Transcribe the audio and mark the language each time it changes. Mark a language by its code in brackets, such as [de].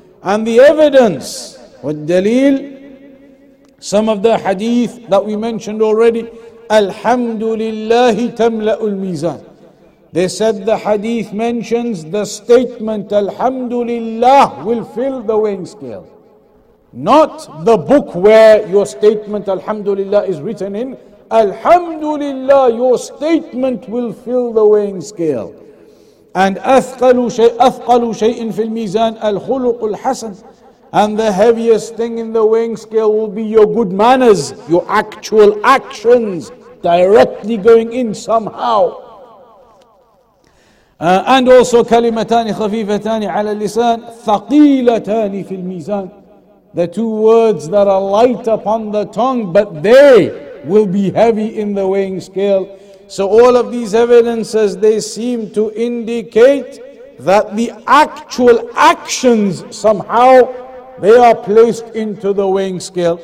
[en] And the evidence, والدليل, some of the hadith that we mentioned already, [ar] Alhamdulillahi tamla'u al-mizan. [en] They said the hadith mentions the statement, Alhamdulillah will fill the weighing scale. Not the book where your statement, Alhamdulillah, is written in. Alhamdulillah, your statement will fill the weighing scale. [ar] And أثقل شيء في الميزان الخلق الحسن. [en] And the heaviest thing in the weighing scale will be your good manners, your actual actions directly going in somehow. And also [ar] كلمتان خفيفتان على اللسان ثقيلتان في الميزان. [en] The two words that are light upon the tongue, but they will be heavy in the weighing scale. So all of these evidences, they seem to indicate that the actual actions somehow, they are placed into the weighing scale.